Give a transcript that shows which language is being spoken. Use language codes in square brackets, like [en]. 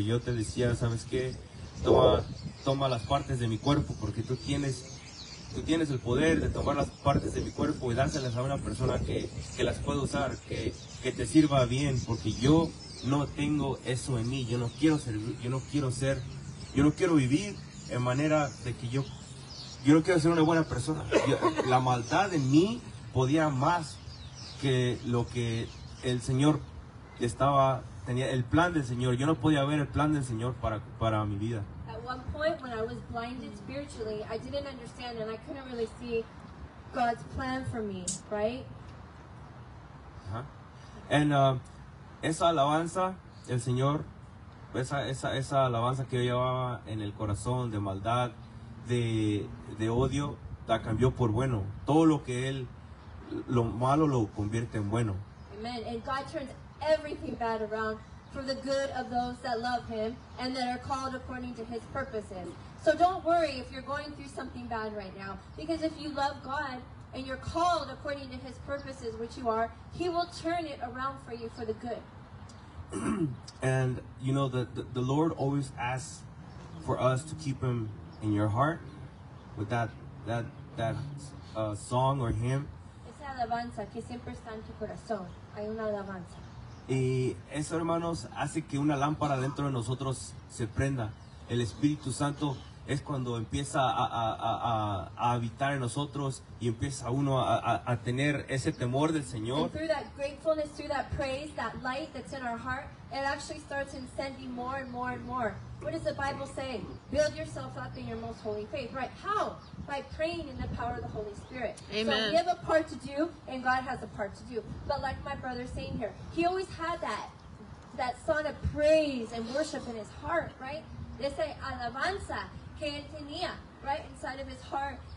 [es] Yo te decía, ¿sabes qué? Toma las partes de mi cuerpo, porque tú tienes el poder de tomar las partes de mi cuerpo y dárselas a una persona que las puede usar, que te sirva bien, porque yo no tengo eso en mí, yo no quiero vivir en manera de que yo no quiero ser una buena persona. La maldad en mí podía más que lo que el Señor tenía, el plan del Señor. Yo no podía ver el plan del Señor para mi vida. [en] One point when I was blinded spiritually, I didn't understand and I couldn't really see God's plan for me, right? [es] Uh-huh. And esa alabanza, el Señor, esa alabanza que yo llevaba en el corazón de maldad, de odio, la cambió por bueno. Todo lo que él, lo malo, lo convierte en bueno. Amen. [en] And God turns everything bad around for the good of those that love him and that are called according to his purposes. So don't worry if you're going through something bad right now, because if you love God and you're called according to his purposes, which you are, he will turn it around for you for the good. And you know, the Lord always asks for us to keep him in your heart with that song or hymn. [es] Esa alabanza que siempre está en tu corazón. Hay una alabanza. Y eso, hermanos, hace que una lámpara dentro de nosotros se prenda. El Espíritu Santo es cuando empieza a habitar en nosotros y empieza uno a tener ese temor del Señor. [en] And through that gratefulness, through that praise, that light that's in our heart, it actually starts incending more and more and more. What does the Bible say? Build yourself up in your most holy faith. Right, how? By praying in the power of the Holy Spirit. Amen. So we have a part to do, and God has a part to do. But like my brother saying here, he always had that song of praise and worship in his heart, right? [es] Esa alabanza que él tenía, [en] right, inside of his heart.